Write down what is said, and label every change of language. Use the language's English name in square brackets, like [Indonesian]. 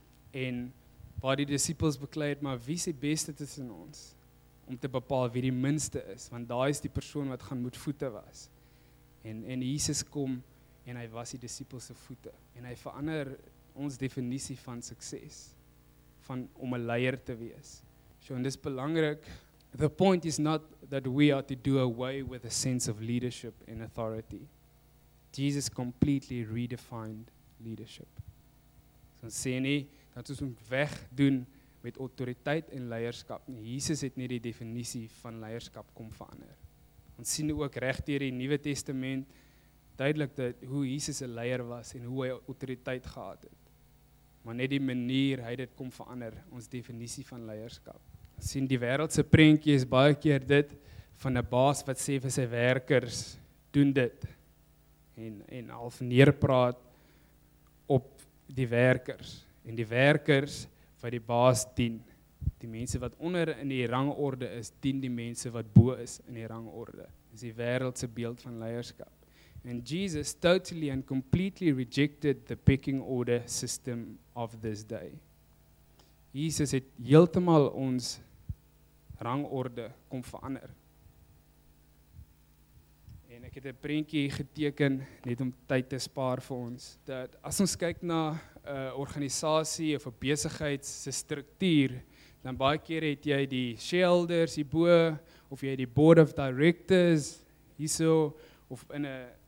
[Afrikaans] En waar die disippels beklei het, maar wie is die beste tussen ons om te bepaal wie die minste is, want daai is die persoon wat gaan moet voete was. En Jesus kom en hy was die disippels se voete en hy verander ons definisie van sukses, van om 'n leier te wees. So, en dis belangrik. [English] The point is not that we are to do away with a sense of leadership and authority. Jesus completely redefined leadership. [Afrikaans] So, ons sê nie dat ons moet wegdoen met autoriteit en leierskap. Nee, Jesus het nie die definisie van leierskap kom verander. Ons sien ook reg deur die Nuwe Testament duidelik dat hoe Jesus 'n leier was en hoe hy autoriteit gehad het. Maar net die manier hy dit kom verander, ons definisie van leierskap. Ons sien die wêreldse prentjie is baie keer dit van 'n baas wat sê vir sy werkers, doen dit. En half neerpraat op die werkers. En die werkers wat die baas dien, die mense wat onder in die rangorde is, dien die mense wat bo is in die rangorde. Dis die wêreldse beeld van leierskap. [English] And Jesus totally and completely rejected the pecking order system of this day. [Afrikaans] Jesus het heeltemal ons rangorde kom verander. En ek het 'n prentjie geteken net om tyd te spaar vir ons. Dat as ons kyk na 'n organisasie of 'n besigheid se struktuur, dan baie keer het jy die shareholders hierbo of jy het die board of directors hierso of in 'n